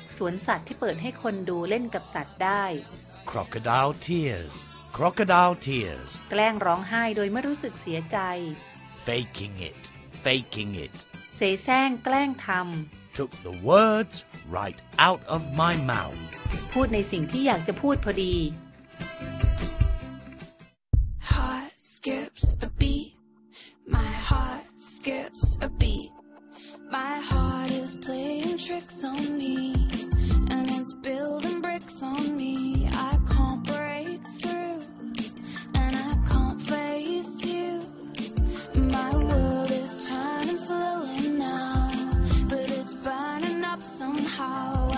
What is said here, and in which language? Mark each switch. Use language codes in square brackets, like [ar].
[th] สวนสัตว์ที่เปิดให้คนดูเล่นกับสัตว์ได้ [en] Crocodile tears Crocodile tears [th] แกล้งร้องไห้โดยไม่รู้สึกเสียใจ [en] Faking it Faking it [th] เสแสร้งแกล้งทำ [en] Took the words right out of my mouth [th] พูดในสิ่งที่อยากจะพูดพอดี [en] Heart skips a beatMy heart skips a beat. My heart is playing tricks on me, and it's building bricks on me. I can't break through, and I can't face you. My world is turning slowly now, but it's burning up somehow.